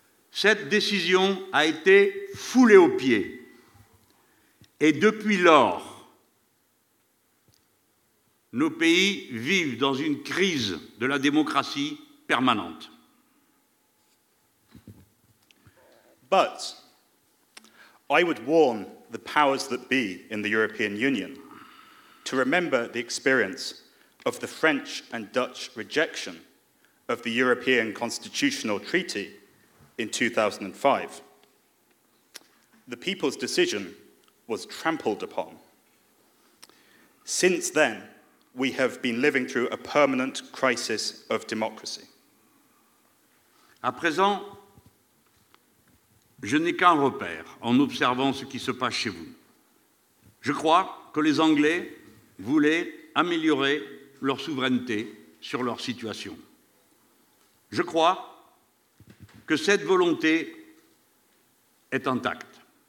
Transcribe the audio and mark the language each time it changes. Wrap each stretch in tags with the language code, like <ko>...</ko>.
<fr>Cette décision a été foulée aux pieds. Et depuis lors, nos pays vivent dans une crise de la démocratie permanente.</fr> <en>But I would warn the powers that be in the European Union to remember the experience of the French and Dutch rejection of the European Constitutional Treaty in 2005. The people's decision was trampled upon. Since then, we have been living through a permanent crisis of democracy.</en> <fr>À présent, je n'ai qu'un repère en observant ce qui se passe chez vous. Je crois que les Anglais voulaient améliorer leur souveraineté sur leur situation. Je crois que cette volonté est intacte.</fr>